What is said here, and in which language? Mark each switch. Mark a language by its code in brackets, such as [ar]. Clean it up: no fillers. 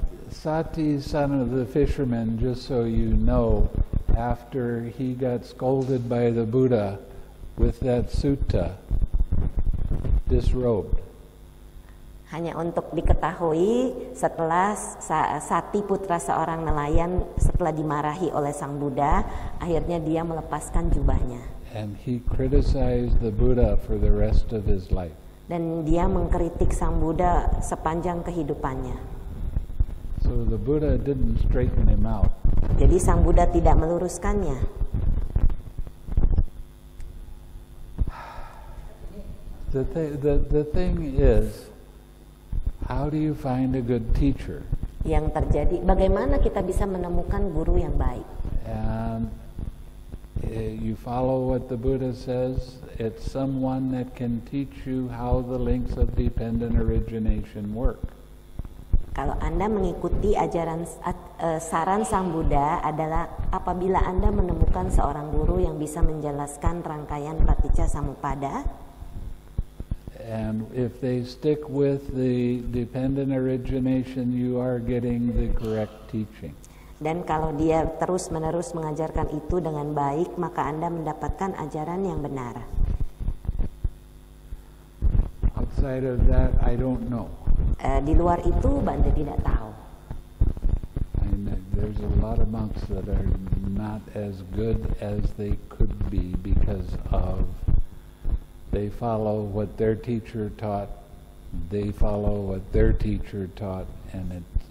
[en] Sati, son of the fisherman, just so you know, after he got scolded by the Buddha with that sutta, disrobed. [id] Hanya untuk diketahui, setelah Sati putra seorang nelayan, setelah dimarahi oleh sang Buddha, akhirnya dia melepaskan jubahnya. [en] And he criticized the Buddha for the rest of his life. [id] Dan dia mengkritik sang Buddha sepanjang kehidupannya. [en] So the Buddha didn't straighten him out. [id] Jadi sang Buddha tidak meluruskannya. [en] The thing is, how do you find a good teacher? [id] Yang terjadi, bagaimana kita bisa menemukan guru yang baik? [en] And you follow what the Buddha says. It's someone that can teach you how the links of dependent origination work. [id] Kalau Anda mengikuti ajaran saran Sang Buddha adalah apabila Anda menemukan seorang guru yang bisa menjelaskan rangkaian paticca-samuppada. [en] And if they stick with the dependent origination, you are getting the correct teaching. [id] Dan kalau dia terus-menerus mengajarkan itu dengan baik, maka Anda mendapatkan ajaran yang benar. [en] Outside of that, I don't know. [id] Di luar itu, Bhante tidak tahu. [en] And there's a lot of monks that are not as good as they could be because of they follow what their teacher taught, they follow what their teacher taught, and